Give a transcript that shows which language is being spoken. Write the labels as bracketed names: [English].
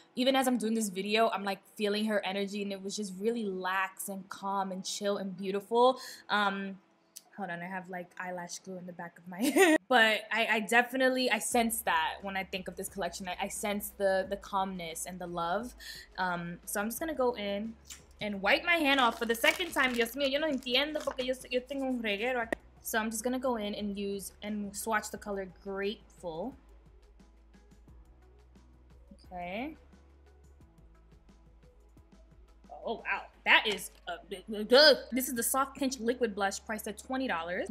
[English] Even as I'm doing this video, I'm like feeling her energy, and it was just really lax and calm and chill and beautiful. Hold on, I have like eyelash glue in the back of my head. But I definitely sense that when I think of this collection. I sense the calmness and the love. So I'm just gonna go in and wipe my hand off for the second time. [Spanish] Dios mío, yo no entiendo porque yo tengo un reguero aquí. [English] So I'm just gonna go in and use and swatch the color Grateful. Okay. Oh wow, that is a big, ugh. This is the Soft Pinch Liquid Blush, priced at $20.